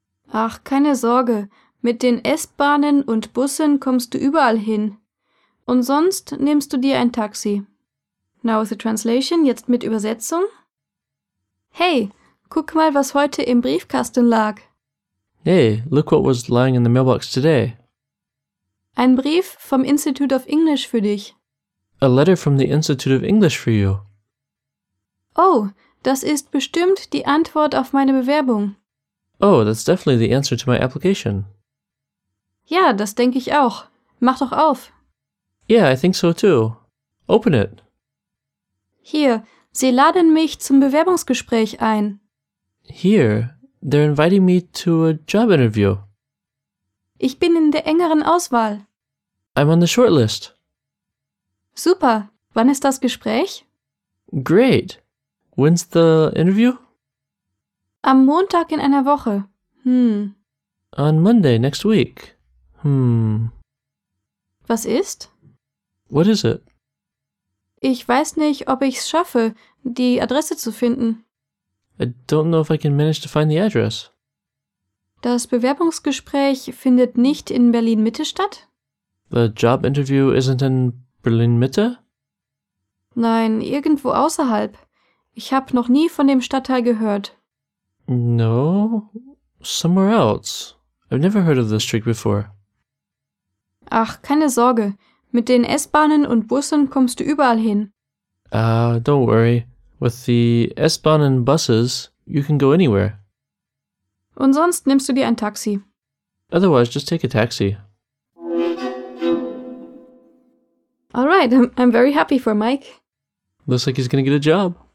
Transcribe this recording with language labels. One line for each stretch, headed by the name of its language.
German: Ach, keine Sorge. Mit den S-Bahnen und Bussen kommst du überall hin. Und sonst nimmst du dir ein Taxi.
English: Now with the translation,
German: jetzt mit Übersetzung. Hey, guck mal, was heute im Briefkasten lag.
English: Hey, look what was lying in the mailbox today.
German: Ein Brief vom Institute of English für dich.
English: A letter from the Institute of English for you.
German: Oh, das ist bestimmt die Antwort auf meine Bewerbung.
English: Oh, that's definitely the answer to my application.
German: Ja, das denke ich auch. Mach doch auf.
English: Yeah, I think so too. Open it.
German: Hier, Sie laden mich zum Bewerbungsgespräch ein.
English: Here, they're inviting me to a job interview.
German: Ich bin in der engeren Auswahl.
English: I'm on the shortlist.
German: Super. Wann ist das Gespräch?
English: Great. When's the interview?
German: Am Montag in einer Woche.
English: On Monday next week.
German: Was ist?
English: What is it?
German: Ich weiß nicht, ob ich's schaffe, die Adresse zu finden.
English: I don't know if I can manage to find the address.
German: Das Bewerbungsgespräch findet nicht in Berlin-Mitte statt?
English: The job interview isn't in Berlin-Mitte?
German: Nein, irgendwo außerhalb. Ich habe noch nie von dem Stadtteil gehört.
English: No, somewhere else. I've never heard of this trick before.
German: Ach, keine Sorge. Mit den S-Bahnen und Bussen kommst du überall hin.
English: Don't worry. With the S-Bahnen and buses, you can go anywhere.
German: Und sonst nimmst du dir ein Taxi.
English: Otherwise, just take a taxi. All right, I'm very happy for Mike. Looks like he's gonna get a job.